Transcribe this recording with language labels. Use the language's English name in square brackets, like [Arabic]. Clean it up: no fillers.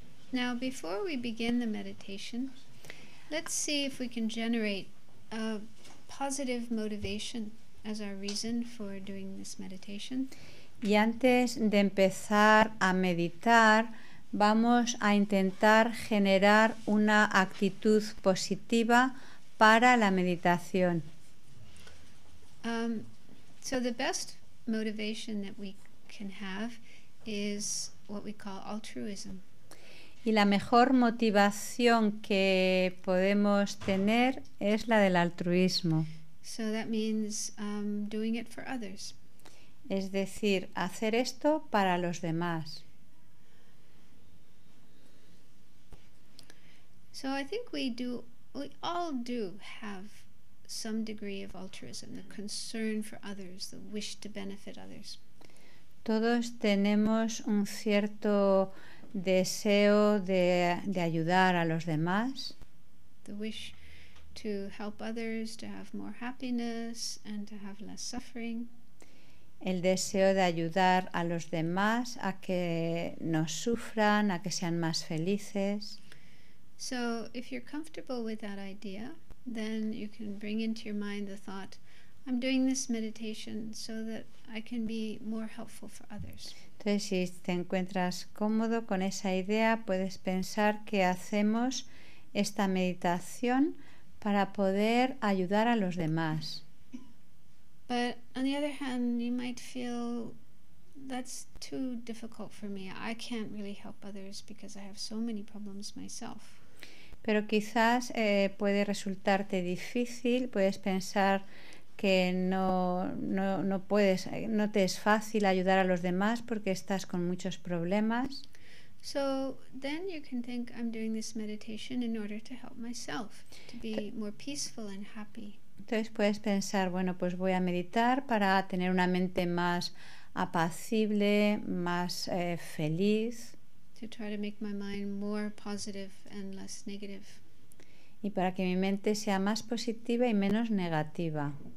[English] Now, before we begin the meditation, let's see if we can generate a positive motivation as our reason for doing this meditation. [Spanish] Y antes de empezar a meditar, vamos a intentar generar una actitud positiva para la meditación. [English] So the best motivation that we can have is what we call altruism. [Spanish] Y la mejor motivación que podemos tener es la del altruismo. [English] So that means doing it for others. [Spanish] Es decir, hacer esto para los demás. [English] So I think we all do have some degree of altruism, the concern for others, the wish to benefit others. [Spanish] Todos tenemos un cierto deseo de ayudar a los demás. [English] The wish to help others, to have more happiness and to have less suffering. [Spanish] el deseo de ayudar a los demás a que no sufran, a que sean más felices. [English] So, if you're comfortable with that idea, then you can bring into your mind the thought, I'm doing this meditation so that I can be more helpful for others. [Spanish] Entonces, si te encuentras cómodo con esa idea, puedes pensar que hacemos esta meditación para poder ayudar a los demás. [English] But on the other hand, you might feel that's too difficult for me. I can't really help others because I have so many problems myself. [Spanish] Pero quizás puede resultarte difícil, puedes pensar que no te es fácil ayudar a los demás porque estás con muchos problemas. [English] So then you can think I'm doing this meditation in order to help myself to be more peaceful and happy. [Spanish] Entonces puedes pensar, bueno, pues voy a meditar para tener una mente más apacible, más feliz. [English] To try to make my mind more positive and less negative. [Spanish] Y para que mi mente sea más positiva y menos negativa.